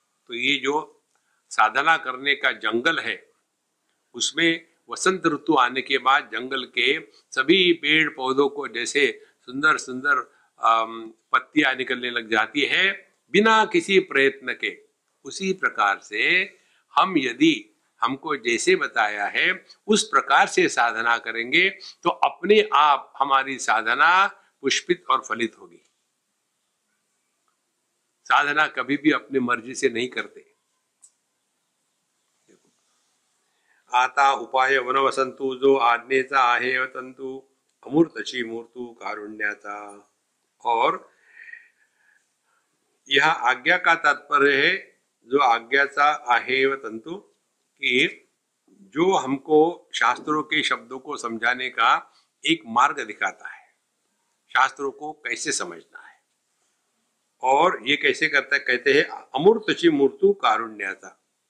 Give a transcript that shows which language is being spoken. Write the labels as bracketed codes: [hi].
[hi] तो ये जो साधना करने का जंगल है, उसमें वसंत ऋतु आने के बाद जंगल के सभी पेड़ पौधों को जैसे सुंदर सुंदर पत्तियां निकलने लग जाती है बिना किसी प्रयत्न के, उसी प्रकार से हम यदि हमको जैसे बताया है उस प्रकार से साधना करेंगे तो अपने आप हमारी साधना पुष्पित और फलित होगी। साधना कभी भी अपनी मर्जी से नहीं करते। [mr] आता उपाय वनवसंतु जो आज्ञेचा आहे वतंतु अमूर्तची मूर्तु कारुण्याचा। [hi] और यह आज्ञा का तात्पर्य है [mr] जो आज्ञाचा आहे वतंतु, [hi] कि जो हमको शास्त्रों के शब्दों को समझाने का एक मार्ग दिखाता है, शास्त्रों को कैसे समझना है, और ये कैसे करता है, कहते हैं [mr] अमूर्तची मूर्तु कारुण्याचा।